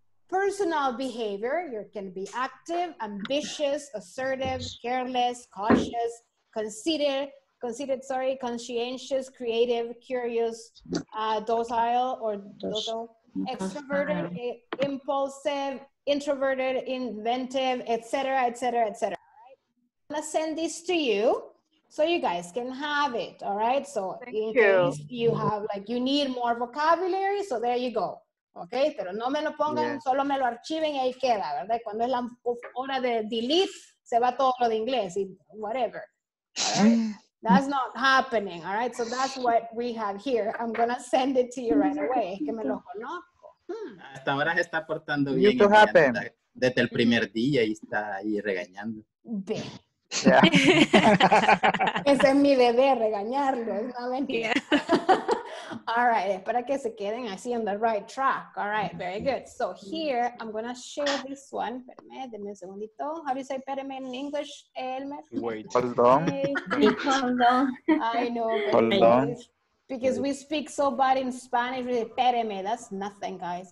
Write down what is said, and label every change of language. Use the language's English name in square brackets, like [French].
[English] Personal behavior, you can be active, ambitious, assertive, careless, cautious, conceited, conscientious, creative, curious, docile, or docile, extroverted, impulsive, introverted, inventive, etc., etc., etc. I'm gonna send this to you. So you guys can have it, all right? So Thank you. You have like, you need more vocabulary, so there you go. [Spanish] Okay, pero no me lo pongan, solo me lo archiven y ahí queda, ¿verdad? Cuando es la hora de delete, se va todo lo de inglés, y whatever. [English] All right? That's not happening, all right? So that's what we have here. I'm gonna send it to you right away. [Spanish] Es que me lo conozco. Hasta ahora se está portando bien. Esto happened. Desde el primer día y está ahí regañando. Bien. Yeah. Ese es mi deber, regañarlo, es una mentira. [English] All right, [Spanish] para que se queden así [English] on the right track. All right, very good. So here, I'm going to share this one. [Spanish] Espérame, denme un segundito. [English] How do you say espérame in English, Elmer? Wait. Hold on. Hold on. I know. Hold on. Because we speak so bad in Spanish, espérame, that's nothing, guys.